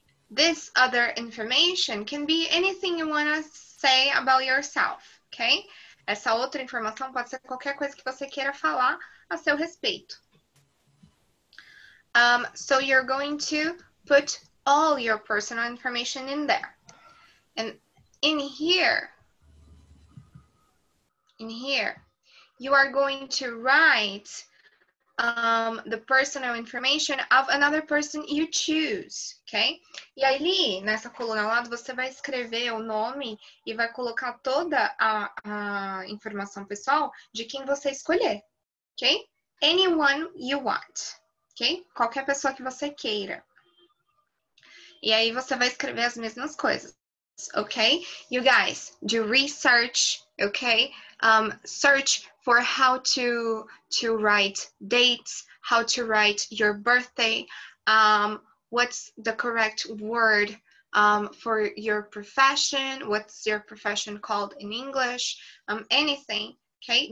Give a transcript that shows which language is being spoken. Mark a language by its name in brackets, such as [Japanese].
[English] This other information can be anything you want to say about yourself, okay? [Portuguese] Essa outra informação pode ser qualquer coisa que você queira falar a seu respeito. [English] So you're going to put all your personal information in there. And in here, you are going to write the personal information of another person you choose, okay? [Portuguese] E ali, nessa coluna ao lado, você vai escrever o nome e vai colocar toda a informação pessoal de quem você escolher, okay? [English] Anyone you want, okay? [Portuguese] Qualquer pessoa que você queira. E aí você vai escrever as mesmas coisas, okay? [English] You guys, do research, okay? Search for how to write dates, how to write your birthday, what's the correct word for your profession, what's your profession called in English, anything, okay?